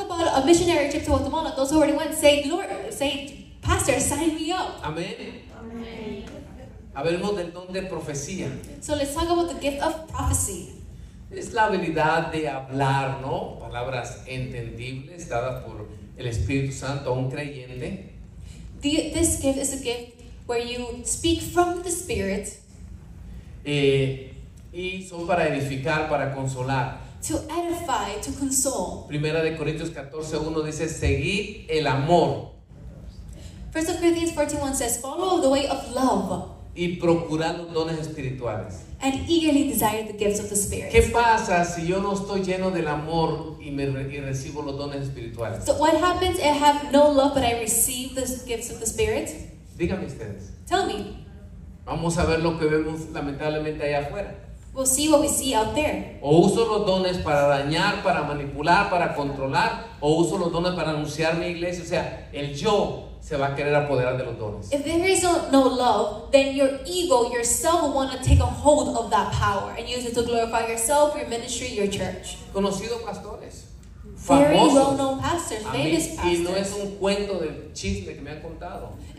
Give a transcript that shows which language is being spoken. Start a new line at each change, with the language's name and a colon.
English: about a missionary trip to Guatemala. Those who already went, say, Lord, say, Pastor, sign me up. Amen.
Spanish: Hablemos del don de profecía.
English: So let's talk about the gift of prophecy.
Spanish: Es la habilidad de hablar, ¿no? Palabras entendibles dadas por el Espíritu Santo a un creyente.
English: This gift is a gift where you speak from the Spirit.
Spanish: Y son para edificar, para consolar.
English: To edify, to console.
Spanish: Primera de Corintios 14:1 dice, seguid el amor.
English: First of Corinthians 14:1 says, follow the way of love.
Spanish: Y procurad los dones espirituales.
English: And eagerly desire the gifts of the Spirit.
Spanish: ¿Qué pasa si yo no estoy lleno del amor y recibo los dones espirituales?
English: So what happens if I have no love but I receive the gifts of the Spirit?
Spanish: Díganme ustedes.
English: Tell me.
Spanish: Vamos a ver lo que vemos lamentablemente allá afuera.
English: We'll see what we see out there.
Spanish: O uso los dones para dañar, para manipular, para controlar, o uso los dones para anunciar mi iglesia. O sea, el yo se va a querer apoderar de los dones.
English: If there is no love, then your ego, yourself, will want to take a hold of that power and use it to glorify yourself, your ministry, your church.
Spanish: Conocidos pastores.
English: Very
Spanish: famosos,
English: well-known pastors, famous mí, pastors.
Spanish: Y no es un cuento de chisme que me han contado.